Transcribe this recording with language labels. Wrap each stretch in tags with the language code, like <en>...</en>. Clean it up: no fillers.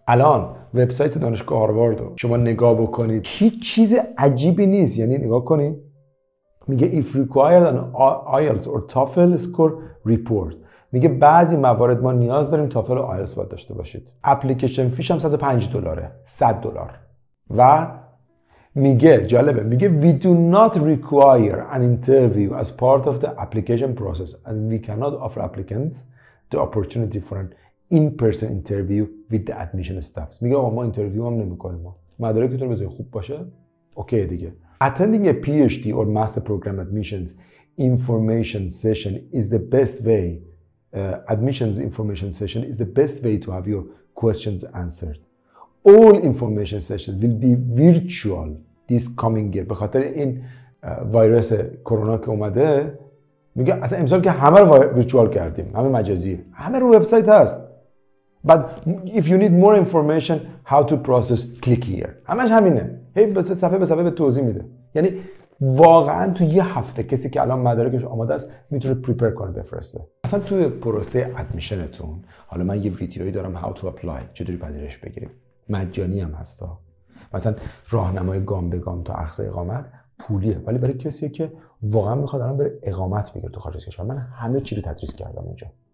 <fa>الان وبسایت دانشگاه هاروارد رو شما نگاه بکنید، هیچ چیز عجیبی نیست. یعنی نگاه کنید، میگه</fa> <en>if required an IELTS or TOEFL score report،</en> <fa>میگه بعضی موارد ما نیاز داریم TOEFL و IELTS باید داشته باشید. اپلیکیشن فیش هم $105، $100. و میگه جالبه، میگه</fa> <en>we do not require an interview as part of the application process and we cannot offer applicants the opportunity for an in-person interview with the admission staffs.</en> <fa>میگه آقا ما اینترویو هم نمی کنیم، مدارکتون بذاری خوب باشه اوکی دیگه.</fa> <en>Attending a PhD or master program admissions information session is the best way admissions information session is the best way to have your questions answered. All information sessions will be virtual this coming year.</en> <fa>به خاطر این ویروس کرونا که اومده، میگه اصلا امسال که همه رو ویرچوال کردیم، همه مجازی، همه رو وبسایت هست.</fa> <en>But if you need more information how to process click here.</en> <fa>همش همینه. هی صفحه به صفحه به توضیح میده. یعنی واقعا تو یه هفته کسی که الان مدارکش آماده است میتونه پریپر کنه بفرسته. اصلا توی پروسه ادمیشنتون، حالا من یه ویدیویی دارم</fa> <en>how to apply،</en> <fa>چطوری پذیرش بگیریم، مجانی هم هستا، مثلا راهنمای گام به گام تا اخذ اقامت پولیه، ولی برای کسی که واقعا میخواد الان بره اقامت بگیره تو خارج از کشور، من همه چی رو تدریس کردم اونجا.</fa>